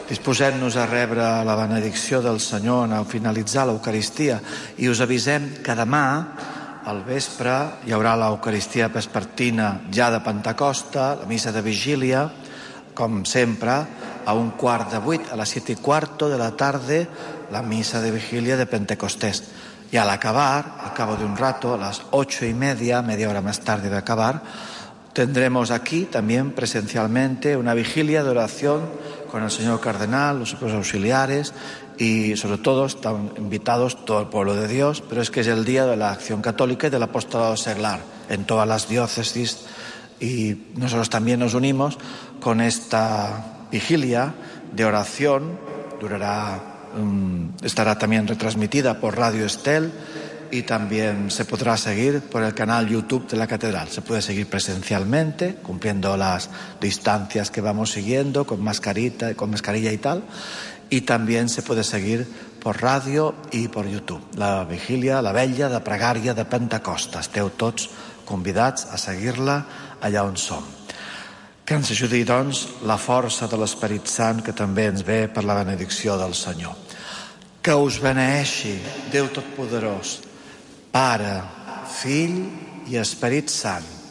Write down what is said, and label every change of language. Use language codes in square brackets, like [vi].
[ca] Disposem-nos a rebre la benedicció del Senyor en el finalitzar l'Eucaristia i us avisem que demà, al vespre, hi haurà l'Eucaristia vespertina ja de Pentecosta, la missa de vigília, com sempre, a 7:15, a les 7:15 de la tarda, la missa de vigília de Pentecostés. I a l'acabar, [es] al cabo de un rato, a les 8:30, media hora [ca] més tard d'acabar, [es] tendremos aquí también presencialmente una vigilia de oración con el señor cardenal, los obispos auxiliares y sobre todo están invitados todo el pueblo de Dios, pero es que es el día de la acción católica y del apostolado seglar en todas las diócesis y nosotros también nos unimos con esta vigilia de oración. Durará, estará también retransmitida por Radio Estel y también se podrá seguir por el canal YouTube de la Catedral. Se puede seguir presencialmente, cumpliendo las distancias que vamos siguiendo, con mascarilla y tal, y también se puede seguir por radio y por YouTube. [ca] La vigília, la vetlla de pregària de Pentecosta. Esteu tots convidats a seguir-la allà on som. Que ens ajudi, doncs, la força de l'Esperit Sant, que també ens ve per la benedicció del Senyor. Que us beneeixi Déu Totpoderós, Pare, Fill i Esperit Sant.